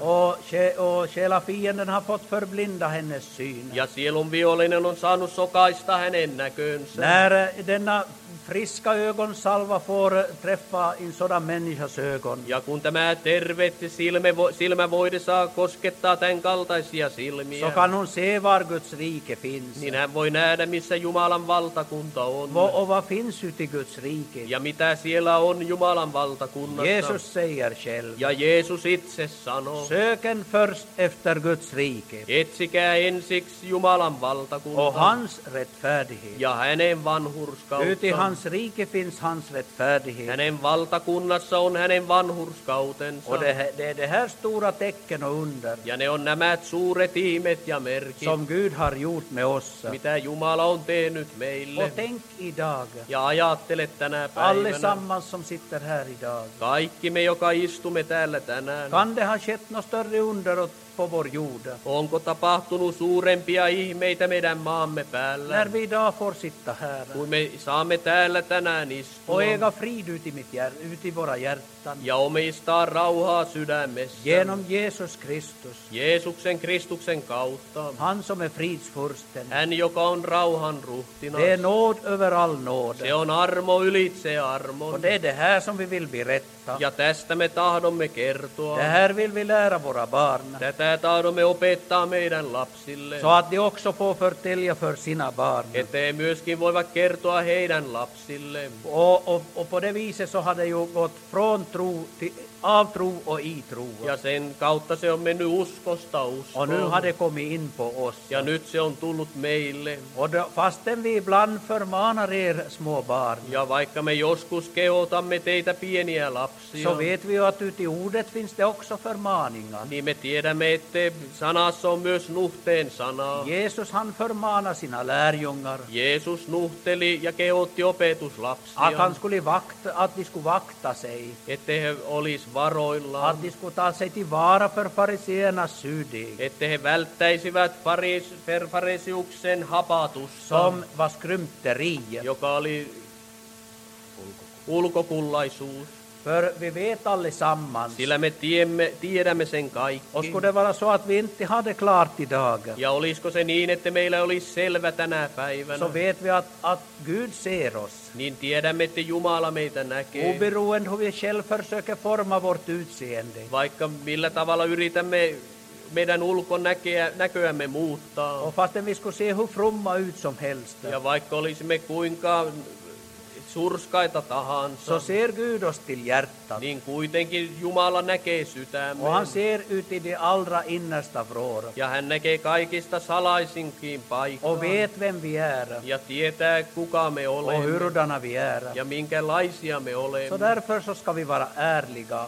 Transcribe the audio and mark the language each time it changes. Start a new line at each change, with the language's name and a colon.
Swedish: Och själva fienden har fått förblinda hennes syn.
Finnish: Ja sielun vihollinen on saanut sokaista hänen näkönsä.
Swedish: När denna friska ögonsalva får träffa en sådan människas ögon.
Finnish: Ja kun tämä terve silmävoide saa koskettaa tämän kaltaisia silmiä.
Swedish: Så kan hon se var Guds rike finns.
Finnish: Niin hän voi nähdä, missä Jumalan valtakunta on.
Swedish: Vad finns ute i Guds rike?
Finnish: Ja mitä siellä on Jumalan valtakunnassa?
Swedish: Jesus säger själv.
Finnish: Ja Jeesus itse sanoo.
Swedish: Söken först efter Guds rike.
Finnish: Etsikää ensiksi Jumalan valtakunta.
Swedish: Och hans rättfärdighet.
Finnish: Ja hänen vanhurskautta. Ytihan
Swedish: hans rike finns hans rättfärdighet.
Finnish: Hänen valtakunnassa on hänen vanhurskautensa.
Swedish: Och det här stora tecken och under.
Finnish: Ja ne on nämä suuret ihmet ja merkit.
Swedish: Som Gud har gjort med oss.
Finnish: Mitä Jumala on tehnyt meille.
Swedish: Och tänk idag.
Finnish: Ja ajattele tänä päivänä.
Swedish: Allesammans som sitter här idag.
Finnish: Kaikki me, joka istumme täällä tänään.
Swedish: Kan det ha skett något större under och på vår jord?
Finnish: Onko tapahtunut suurempia ihmeitä meidän maamme päällä?
Swedish: När vi idag får sitta här.
Finnish: Kun me saamme täällä tänään istua.
Swedish: Och äga frid uti våra hjärtan.
Finnish: Ja omistaa rauhaa sydämessä.
Swedish: Genom Jesus Kristus.
Finnish: Jeesuksen Kristuksen kautta.
Swedish: Han som är fridsfursten.
Finnish: Hän, joka on rauhan ruhtinas.
Swedish: Det är nåd över all nåd.
Finnish: Se on armo ylitse armon.
Swedish: Och det är det här som vi vill berätta.
Finnish: Ja tästä me tahdomme kertoa.
Swedish: Det här vill vi lära våra barn.
Finnish: Tätä tahdomme opettaa meidän lapsille.
Swedish: Så att de också får förtälja för sina barn.
Finnish: Että he myöskin voivat kertoa heidän lapsille.
Swedish: Och på det viset så hade ju gått från tro av tro och i tro.
Finnish: Ja sen kautta se on mennyt uskosta uskoon.
Swedish: Och nu hade kommit in på oss.
Finnish: Ja nyt se on tullut meille.
Swedish: Och då, fastän vi ibland förmanar er små barn.
Finnish: Ja vaikka me joskus kehotamme teitä pieniä lapsia.
Swedish: Så vet vi att ute i ordet finns det också förmaningar.
Finnish: Niin me tiedämme, että sanassa on myös nuhteen sanaa.
Swedish: Jeesus han förmanar sina lärjungar.
Finnish: Jeesus nuhteli ja kehotti opetuslapsia.
Swedish: Att han skulle vakta, att de skulle vakta sig.
Finnish: Että he oli varoilla.
Swedish: Att de skulle ta sig till vara för fariseernas syding.
Finnish: Että he välttäisivät fariseuksen hapatusta.
Swedish: Som var skrymteriet.
Finnish: Joka oli ulkokullaisuus.
Swedish: För vi vet allesammans.
Finnish: Sillä me tiedämme sen kaikki.
Swedish: Osko det vara så att vi inte hade klart idag?
Finnish: Ja olisko se niin, että meillä olisi selvä tänä päivänä?
Swedish: Så vet vi att Gud ser oss.
Finnish: Niin tiedämme, että Jumala meitä näkee.
Swedish: Oberoende hur vi själv försöker forma vårt utseende.
Finnish: Vaikka millä tavalla yritämme meidän ulkonäköämme muuttaa.
Swedish: Och fastän vi skulle se hur frumma ut som helst.
Finnish: Ja vaikka olisimme kuinka surskaita tahansa.
Swedish: Så ser Gud oss till hjärtat.
Finnish: Niin kuitenkin Jumala näkee sydämen.
Swedish: Och han ser ut i de allra innersta vrår.
Finnish: Ja hän näkee kaikista salaisinkin paikkaan.
Swedish: Och vet vem vi är.
Finnish: Ja tietää, kuka me olemme.
Swedish: Och hurdana vi är.
Finnish: Ja minkälaisia me olemme.
Swedish: Så därför så ska vi vara ärliga.